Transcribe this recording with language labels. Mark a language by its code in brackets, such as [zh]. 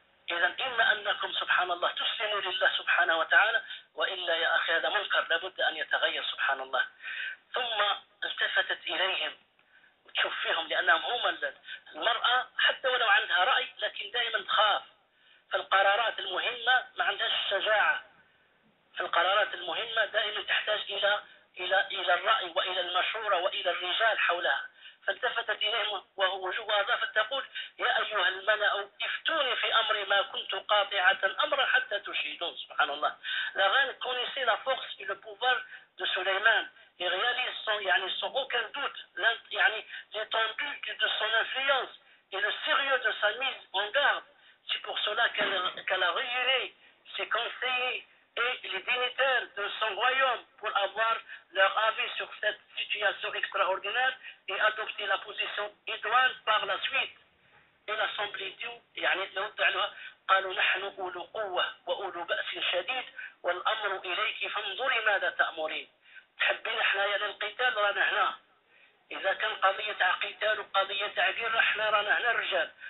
[ar] إذن إما أنكم سبحان الله تسلموا لله سبحانه وتعالى وإلا يا أخي هذا منكر لابد أن يتغير سبحان الله ثم التفتت إليهم تشوف فيهم لأنهم هم المرأة حتى ولو عندها رأي لكن دائما تخاف في القرارات المهمة ما عندهاش الشجاعة في القرارات المهمة دائما تحتاج إلى إلى الرأي وإلى المشورة وإلى الرجال حولها. فالتفتت إليهم وأضافت تقول: يا أيها الملأ افتوني في أمري ما كنت قاطعة أمرا حتى تشهدون. سبحان الله. [fr] La reine connaissait la force et le pouvoir de Suleyman et réalise sans aucun doute l'étendue de son influence et le sérieux de sa mise en garde. C'est pour cela qu'elle a réuni ses conseillers et les dignitaires de son royaume pour avoir leur avis sur cette situation extraordinaire et adopter la position idoine par la suite. Et l'Assemblée dit, [ar] يعني لو تعالوا قالوا نحن أولو قوة وأولو بأس شديد والأمر إليك فانظري ماذا تأمرين. تحبين إحنا يا للقتال رانا هنا. إذا كان قضية قتال وقضية عقير إحنا رانا هنا رجال.